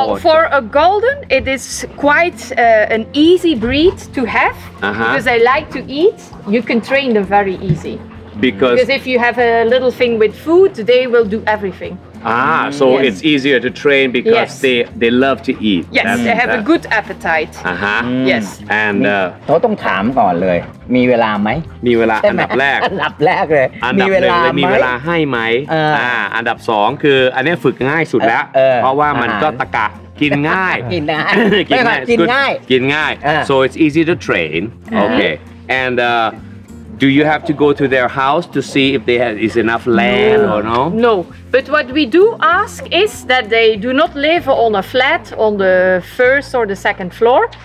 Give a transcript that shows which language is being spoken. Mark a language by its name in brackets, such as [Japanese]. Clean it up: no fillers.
[English] For a golden, it is quite an easy breed to have because they like to eat. You can train them very easy. Because if you have a little thing with food, they will do everything. It's easier to train because they love to eat. Yes, they have a good appetite. Yes. And [Thai] เขาต้องถามก่อนเลยมีเวลาไหม มีเวลาอันดับแรก อันดับแรกเลย อันดับหนึ่งเลยมีเวลาให้ไหมอันดับสองคืออันนี้ฝึกง่ายสุดแล้วเพราะว่ามันก็ตะกะกินง่าย กินง่าย กินง่าย [English] so it's easy to train okay andDo you have to go to their house to see if they have is enough land or no? No, but what we do ask is that they do not live on a flat on the first or the second floor.